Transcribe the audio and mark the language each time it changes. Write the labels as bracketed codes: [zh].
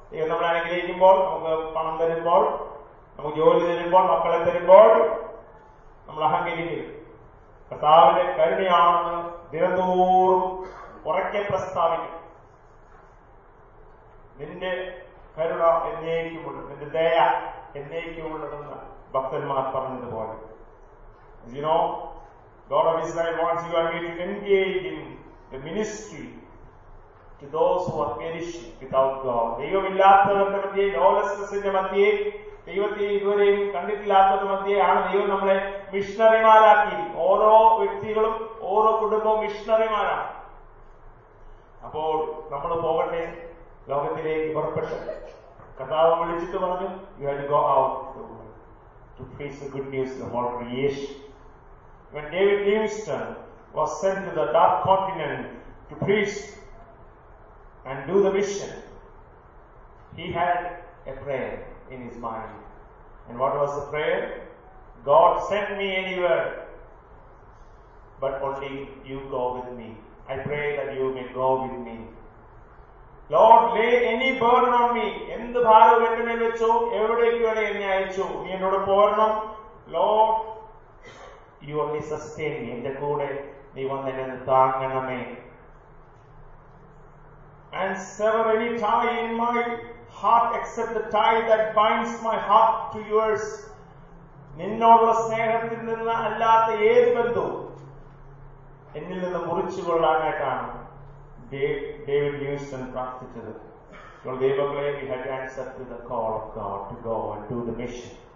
[ml] നമ്മൾ അനുഗ്രഹിക്കുമ്പോൾ, നമുക്ക് പണം തരുമ്പോൾ, നമുക്ക് ജോലി തരുമ്പോൾ, മക്കളെ തരുമ്പോൾ നമ്മൾ അഹങ്കരിക്കും. കർത്താവിന്റെ കരുണയാണെന്ന് ദിനംതോറും ഉറക്കെ പ്രസ്താവിക്കും. നിന്റെ കരുണ എന്നേക്കുമുള്ളത്, നിന്റെ ദയ എന്നേക്കുമുള്ളതെന്ന് ഭക്തന്മാർ പറഞ്ഞതുപോലെ. [en] As you know, God of Israel wants you and me to engage in the ministry to those who are perishing without God. [ml] ദൈവമില്ലാത്തവരുടെ മധ്യേ, ലോലസ്നെസ്സിന്റെ മധ്യേ, ദൈവത്തെ ഇതുവരെയും കണ്ടിട്ടില്ലാത്തവരുടെ മധ്യേ ആണ് ദൈവം നമ്മളെ മിഷണറിമാരാക്കി. ഓരോ വ്യക്തികളും ഓരോ കുടുംബവും മിഷണറിമാരാണ്. അപ്പോൾ നമ്മൾ പോകട്ടെ ലോകത്തിലേക്ക്, പുറപ്പെട്ട് കർത്താവ് വിളിച്ചിട്ട് പറഞ്ഞു, [en] you have to go out to face the good news of all creation. When David Livingstone was sent to the dark continent to preach and do the mission, he had a prayer in his mind. And what was the prayer? God, send me anywhere, but only you go with me. I pray that you may go with me. Lord, lay any burden on me. [ml] എന്ത് ഭാരം വേണ്ടെന്ന് വെച്ചോ, എവിടേക്ക് വേണേ എന്നെ അയച്ചോ, നീ എന്നോട് പോരണം. [en] Lord, you only sustain me. [ml] എന്റെ കൂടെ നീ വന്ന് എന്നെ താങ്ങണമേ. [en] And sever any tie in my heart except the tie that binds my heart to yours. [ml] നിന്നോടുള്ള സ്നേഹത്തിൽ നിന്ന് അല്ലാത്ത ഏത് ബന്ധവും എന്നിൽ നിന്ന് മുറിച്ചുകൊള്ളാനായിട്ടാണ് David Newson [en] practiced it. For Devaklaya, we had answered to the call of God to go and do the mission.